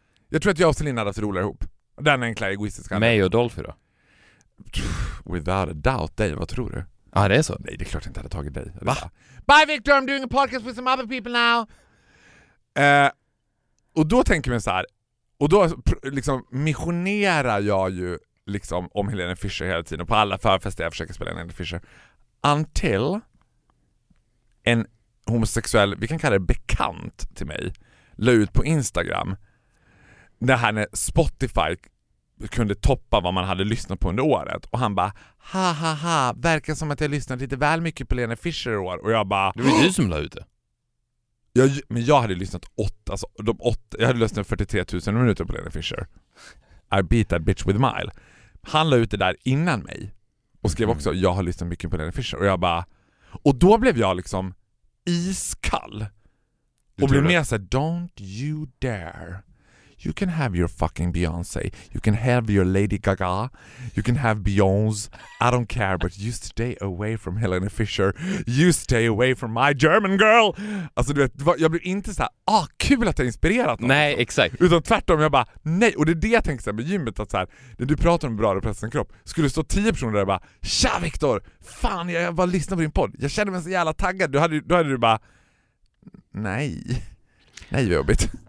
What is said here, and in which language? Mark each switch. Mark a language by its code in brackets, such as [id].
[sv] Jag tror att jag och Celine hade haft roligare ihop. Den enkla egoistiska. Mig och Dolphy då? [en] Without a doubt, [sv] dig, vad tror du? Ja, det är så. Nej, det är klart jag inte hade tagit dig. Va? [en] Bye Victor, I'm doing a podcast with some other people now. [sv] Och då tänker man så här, och då liksom missionerar jag ju liksom om Helene Fischer hela tiden, och på alla förfester jag försöker spela Helene Fischer, until en homosexuell, vi kan kalla det bekant till mig, la ut på Instagram det här när Spotify kunde toppa vad man hade lyssnat på under året, och han bara ha ha ha, verkar som att jag lyssnat lite väl mycket på Helene Fischer i år. Och jag bara, det var du som la ut det. Men jag hade lyssnat jag hade lyssnat 43 000 minuter på Helene Fischer. [en] I beat that bitch with a mile. [sv] Han la ut det där innan mig och skrev också, jag har lyssnat mycket på Helene Fischer. Och jag bara, och då blev jag liksom iskall. Och blev mer såhär, [en] don't you dare. You can have your fucking Beyoncé. You can have your Lady Gaga. You can have Beyoncé. I don't care, but you stay away from Helene Fischer. You stay away from my German girl. [sv] Alltså du vet, jag blir inte så här, ah, kul att jag inspirerat honom. Nej, exakt. Utan tvärtom, jag bara, nej. Och det är det jag tänker så här med gymmet, att så här, när du pratar om bra representerad kropp, skulle stå 10 personer där och bara, tja Victor, fan, jag bara lyssnar på din podd. Jag känner mig så jävla taggad. Då hade du bara, nej. Nej, vad jobbigt.